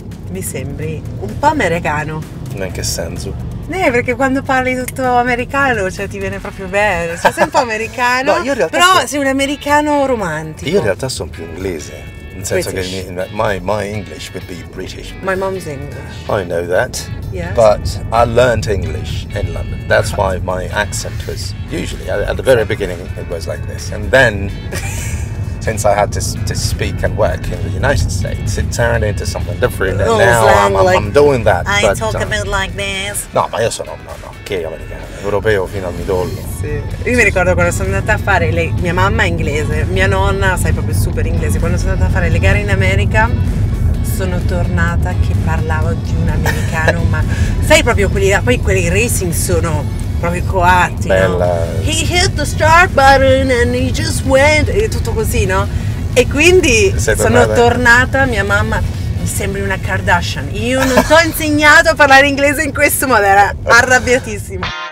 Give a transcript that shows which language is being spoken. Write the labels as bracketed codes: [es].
[it] Mi sembri un po' americano. In che senso? Perché quando parli tutto americano, cioè ti viene proprio bene, cioè, sei un po' americano. No, io in realtà però sei un americano romantico. Io in realtà sono più inglese, nel senso che [en] my English would be British. My mom's English. I know that. Yes. But I learned English in London. That's why my accent was usually at the very beginning it was like this, and then since I had to speak and work in the United States, it turned into something different. And now I'm doing that. I talk about like this. [it] No, ma io sono che americano, europeo fino al midollo. Sì. Io mi ricordo quando sono andata a fare mia mamma è inglese, mia nonna sai proprio super inglese. Quando sono andata a fare le gare in America, sono tornata che parlavo di un americano, ma sai proprio quelli là, poi quelli racing sono proprio coatti, bella. No? [en] He hit the start button and he just went, [it] e tutto così, no? E quindi sono tornata, mia mamma, mi sembri una Kardashian, io non ti ho insegnato a parlare inglese in questo modo, era arrabbiatissima.